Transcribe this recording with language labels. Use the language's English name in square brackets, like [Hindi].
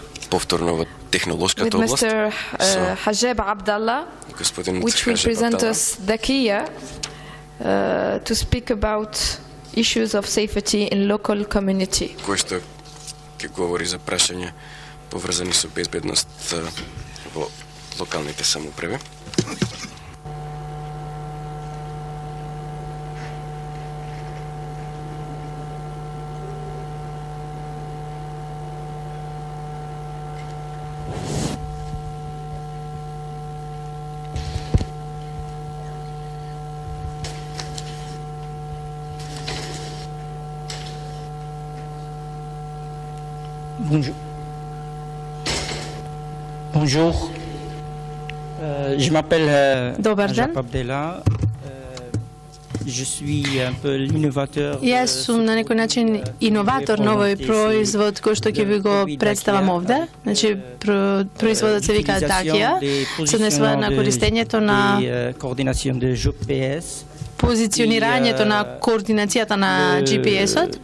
[Macedonian] Повторно во технологската област. [English] With Mr. Хаджеб Абдалла. [Macedonian] Господин Хаджеб Абдалла. [English] Which will present us Dakia to speak about issues of safety in local community. [Macedonian] Кој што ќе говори за прашања поврзани со безбедност во локалните самоуправи. [French] Bonjour. Je m'appelle Jacques Abdella. Je suis un peu l'innovateur. [Macedonian] Јас сум на некој начин иноватор на овој производ кој што ќе ви го представам овде. Значи производот се вика Dakia. Се однесува на користењето на координација на GPS. Позиционирањето на координацијата на GPS-от.